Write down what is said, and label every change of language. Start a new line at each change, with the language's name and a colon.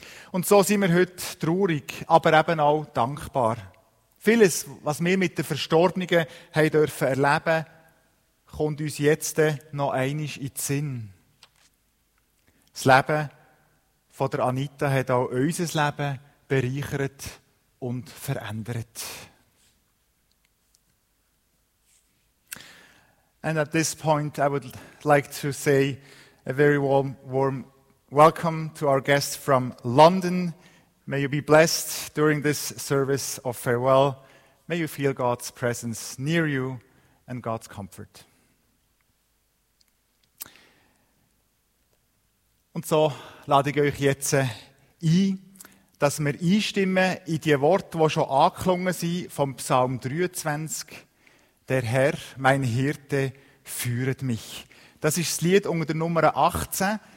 German: Und so sind wir heute traurig, aber eben auch dankbar. Vieles, was wir mit den Verstorbenen haben dürfen erleben, kommt uns jetzt noch einmal in den Sinn. Das Leben von der Anita hat auch unser Leben bereichert und verändert.
English: And at this point, I would like to say a very warm welcome to our guest from London. May you be blessed during this service of farewell. May you feel God's presence near you and God's comfort.
German: Und so lade ich euch jetzt ein, dass wir einstimmen in die Worte, die schon angeklungen sind vom Psalm 23. Der Herr, mein Hirte, führet mich. Das ist das Lied unter der Nummer 18.